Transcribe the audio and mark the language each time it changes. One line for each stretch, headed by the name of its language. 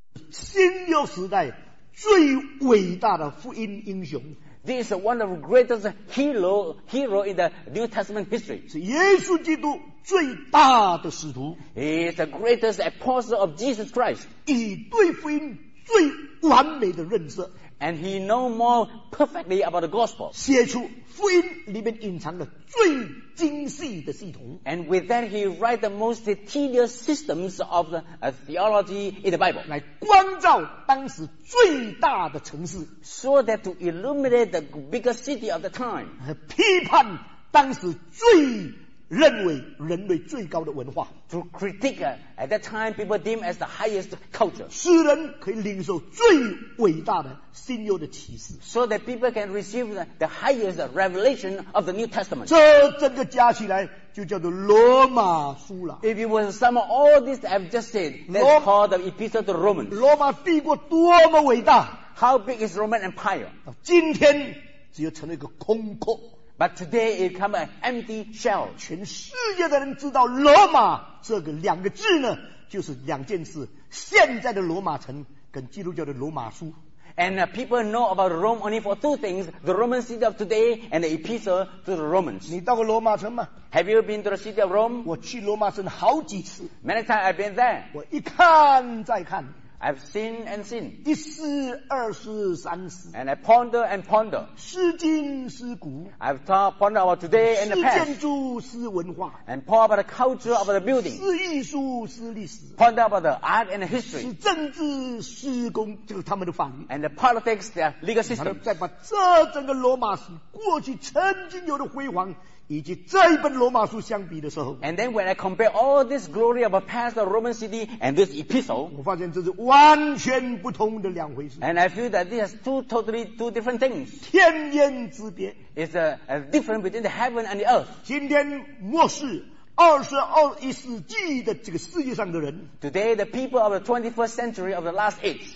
Chinese: 新约时代最伟大的福音英雄。
English: This is one of the greatest hero in the New Testament history.
Chinese: 是耶稣基督最大的使徒。
English: He is the greatest apostle of Jesus Christ.
Chinese: 以对福音最完美的认识。
English: And he know more perfectly about the gospel.
Chinese: 写出福音里面隐藏的最精细的系统。
English: And with that, he write the most detailed systems of the theology in the Bible.
Chinese: 来光照当时最大的城市。
English: So that to illuminate the biggest city of the time.
Chinese: 批判当时最认为人类最高的文化。
English: To critique, at that time, people deem as the highest culture.
Chinese: 使人可以领受最伟大的新约的启示。
English: So that people can receive the highest revelation of the New Testament.
Chinese: 这整个加起来就叫做罗马书了。
English: If you were to sum all this I've just said, that's called the Epistle to Romans.
Chinese: 罗马帝国多么伟大。
English: How big is Roman Empire?
Chinese: 今天只有成了一个空壳。
English: But today it become an empty shell.
Chinese: 全世界的人知道罗马这个两个字呢，就是两件事，现在的罗马城跟基督教的罗马书。
English: And people know about Rome only for two things, the Roman city of today and the epistle to the Romans.
Chinese: 你到过罗马城吗？
English: Have you been to the city of Rome?
Chinese: 我去罗马城好几次。
English: Many times I've been there.
Chinese: 我一看再看。
English: I've seen and seen.
Chinese: 一思二思三思。
English: And I ponder and ponder.
Chinese: 思今思古。
English: I've thought, ponder about today and the past.
Chinese: 思建筑思文化。
English: And ponder about the culture of the building.
Chinese: 思艺术思历史。
English: Ponder about the art and the history.
Chinese: 思政治思公就是他们的法律。
English: And the politics, their legal system.
Chinese: 再把这整个罗马史过去曾经有的辉煌以及这一本罗马书相比的时候
English: and then when I compare all this glory of a past Roman city and this epistle
Chinese: 我发现这是完全不同的两回事
English: and I feel that this is two totally two different things
Chinese: 天渊之别
English: it's a difference between the heaven and the earth
Chinese: 今天末世二十二一世纪的这个世界上的人
English: today the people of the 21st century of the last age